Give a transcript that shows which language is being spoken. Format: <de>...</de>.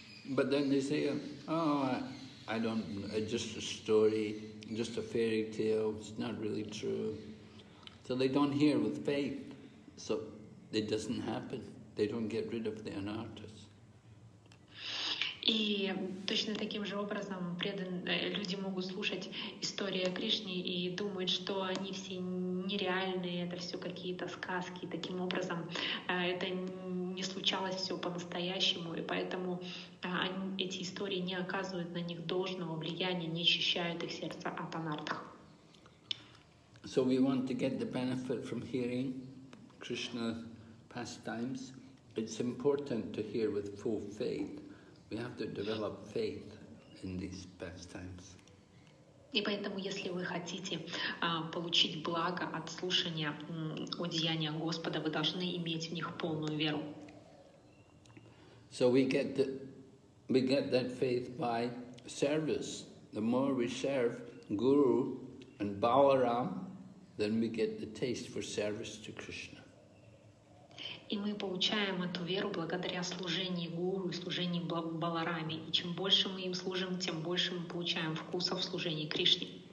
<en>But then they say, oh, I don't, just a story, just a fairy tale, it's not really true. So they don't hear with faith, so it doesn't happen. They don't get rid of the anarthas.</en> <ru>И точно таким же образом люди могут слушать истории о Кришне и думают, что они все нереальные, это все какие-то сказки. Таким образом, это не случалось все по-настоящему, и поэтому эти истории не оказывают на них должного влияния, не очищают их сердца от анартх.</ru> <en>So we want to get the benefit from hearing Krishna pastimes, it's important to hear with full faith. We have to develop faith in these pastimes.</en> <ru>И поэтому, если вы хотите получить благо от слушания о деяниях Господа, вы должны иметь в них полную веру.</ru> <en>So we get that faith by service. The more we serve Guru and Balaram, then we get the taste for service to Krishna.</en> <ru>И мы получаем эту веру благодаря служению Гуру и служению Балараме. И чем больше мы им служим, тем больше мы получаем вкуса в служении Кришне.</ru>